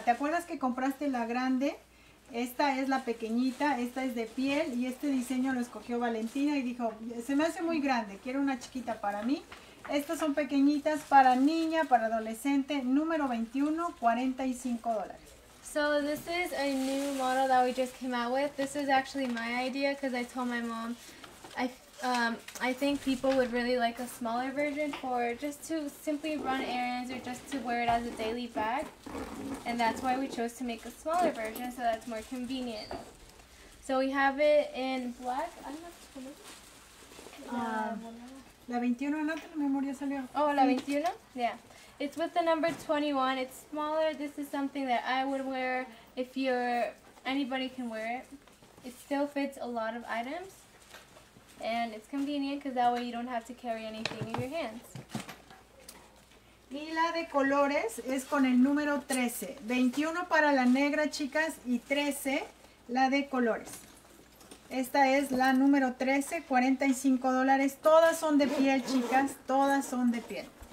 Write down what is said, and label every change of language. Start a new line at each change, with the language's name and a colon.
Spanish: ¿Te acuerdas que compraste la grande? Esta es la pequeñita, esta es de piel y este diseño lo escogió Valentina y dijo, se me hace muy grande, quiero una chiquita para mí. Estas son pequeñitas para niña, para adolescente, número 21, $45.
English: So this is a new model that we just came out with. This is actually my idea because I told my mom, I think people would really like a smaller version for just to simply run errands or just to wear it as a daily bag. And that's why we chose to make a smaller version so that's more convenient. So we have it in black. I don't know.
Spanish: La 21, ¿no? La memoria salió.
English: Oh, la 21? Yeah. It's with the number 21. It's smaller. This is something that I would wear if you're, anybody can wear it. It still fits a lot of items. And it's convenient because that way you don't have to carry anything in your hands.
Spanish: Y la de colores es con el número 13. 21 para la negra, chicas, y 13 la de colores. Esta es la número 13, $45. Todas son de piel, chicas. Todas son de piel.